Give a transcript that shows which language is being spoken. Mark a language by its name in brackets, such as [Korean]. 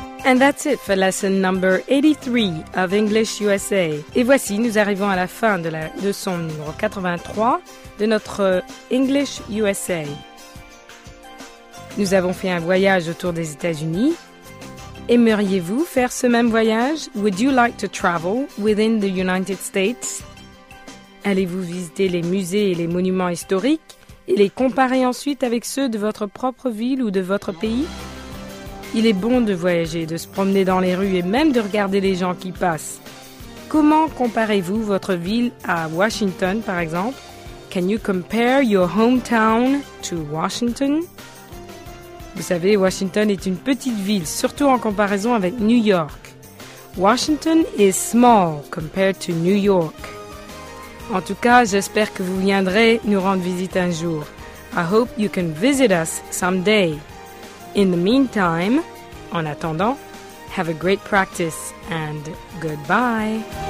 [English] And that's it for lesson number 83 of English USA. [French] Et voici, nous arrivons à la fin de la leçon numéro 83 de notre English USA. Nous avons fait un voyage autour des États-Unis. Aimeriez-vous faire ce même voyage? [English] Would you like to travel within the United States? [French] Allez-vous visiter les musées et les monuments historiques et les comparer ensuite avec ceux de votre propre ville ou de votre pays? Il est bon de voyager, de se promener dans les rues et même de regarder les gens qui passent. Comment comparez-vous votre ville à Washington, par exemple? [English] Can you compare your hometown to Washington? [French] Vous savez, Washington est une petite ville, surtout en comparaison avec New York. [English] Washington is small compared to New York. [French] En tout cas, j'espère que vous viendrez nous rendre visite un jour. [English] I hope you can visit us someday. In the meantime, [French] en attendant, [English] have a great practice and goodbye.